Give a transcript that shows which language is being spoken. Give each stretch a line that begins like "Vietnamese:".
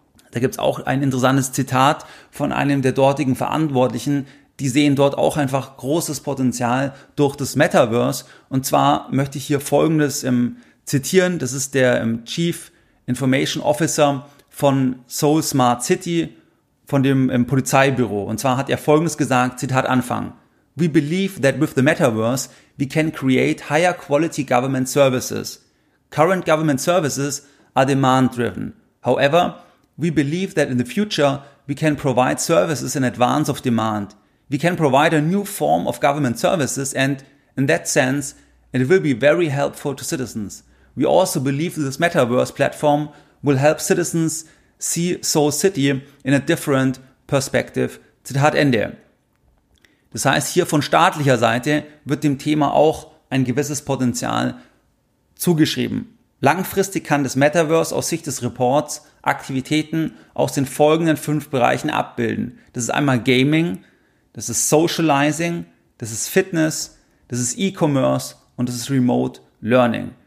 German: Da gibt es auch ein interessantes Zitat von einem der dortigen Verantwortlichen, die sehen dort auch einfach großes Potenzial durch das Metaverse. Und zwar möchte ich hier Folgendes zitieren. Das ist der Chief Information Officer von Seoul Smart City, von dem Polizeibüro. Und zwar hat er Folgendes gesagt, Zitat Anfang.
English: We believe that with the Metaverse, we can create higher quality government services. Current government services are demand driven. However, we believe that in the future, we can provide services in advance of demand. We can provide a new form of government services and in that sense, it will be very helpful to citizens. We also believe this Metaverse platform will help citizens see Seoul City in a different perspective.
German: Zitat Ende. Das heißt, hier von staatlicher Seite wird dem Thema auch ein gewisses Potenzial zugeschrieben. Langfristig kann das Metaverse aus Sicht des Reports Aktivitäten aus den folgenden 5 Bereichen abbilden. Das ist einmal Gaming, das ist Socializing, das ist Fitness, das ist E-Commerce und das ist Remote Learning.